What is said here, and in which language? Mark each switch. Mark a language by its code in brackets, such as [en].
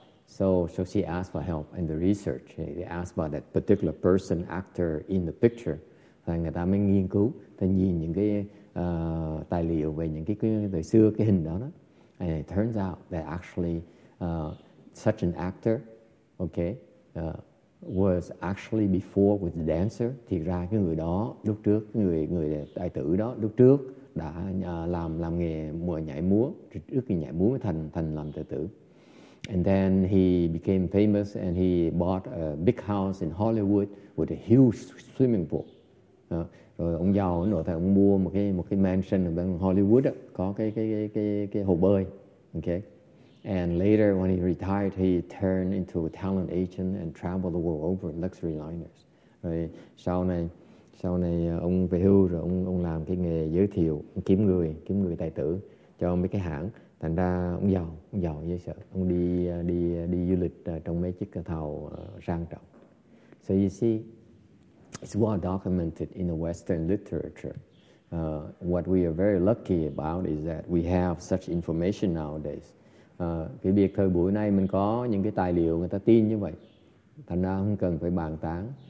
[en] So she asked for help in the research. They asked about that particular person, actor in the picture. [vi] Và người ta mới nghiên cứu, ta nhìn những cái tài liệu về những cái đời xưa, cái hình đó. [en] And it turns out that actually such an actor, okay, was actually before with the dancer. [vi] Thì ra cái người đó lúc trước, người tài tử đó lúc trước đã làm nghề mùa nhảy múa, trước khi nhảy múa mới thành làm tài tử. [en] And then he became famous and he bought a big house in Hollywood with a huge swimming pool. [vi] Rồi ông giàu ở nội thành, ông mua một cái mansion ở Hollywood đó, có cái hồ bơi. Okay. [en] And later when he retired, he turned into a talent agent and traveled the world over in luxury liners. [vi] Rồi sau này ông về hưu rồi ông làm cái nghề giới thiệu, kiếm người tài tử. cho mấy cái hãng. Thành ra ông giàu dễ sợ. Ông đi đi đi du lịch trong mấy chiếc tàu sang trọng. [en] So you see, it's well documented in the Western literature. What we are very lucky about is that we have such information nowadays. [vi] Cái việc thời buổi nay mình có những cái tài liệu người ta tin như vậy. Thành ra không cần phải bàn tán.